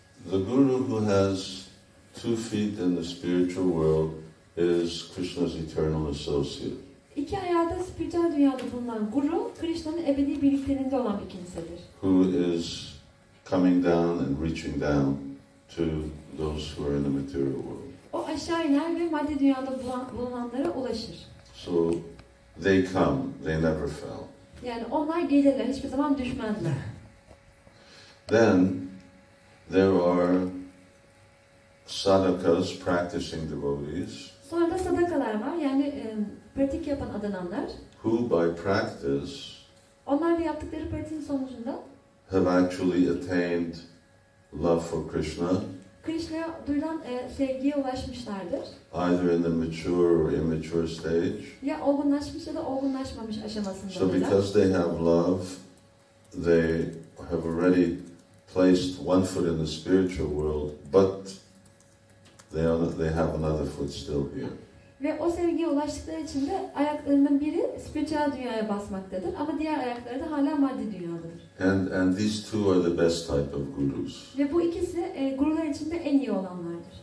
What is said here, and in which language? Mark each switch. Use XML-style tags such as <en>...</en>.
<en>The guru who has two feet in the spiritual world is Krishna's eternal associate.</en> <tr>İki ayağı spiritüel dünyada bulunan guru, Krishna'nın ebedi birlikteliğinde olan bir kimsedir.</tr> <en>Who is coming down and reaching down to those who are in the material world.</en> <tr>O aşağı iner ve maddi dünyada bulunanlara ulaşır.</tr> <en>So they come, they never fell.</en> <tr>Yani onlar gelirler, hiçbir zaman düşmezler.</tr> <en>Then there are sadakas, practicing devotees.</en> <tr>Sonra da sadakalar var, yani pratik yapan adananlar.</tr> <en>Who by practice,</en> <tr>onlar da yaptıkları pratiğin sonucunda,</tr> <en>have actually attained love for Krishna.</en> <tr>Krishna'ya duyulan sevgiye ulaşmışlardır.</tr> <en>Either in the mature or immature stage.</en> <tr>Ya olgunlaşmış ya da olgunlaşmamış aşamasında.</tr> <en>So because they have love, they have already placed one foot in the spiritual world, but they have another foot still here.</en> <tr>Ve o sevgiye ulaştıkları için de ayaklarının biri spiritual dünyaya basmaktadır, ama diğer ayakları da hala maddi dünyadadır.</tr> <en>And these two are the best type of gurus.</en> <tr>Ve bu ikisi gurular içinde en iyi olanlardır.</tr>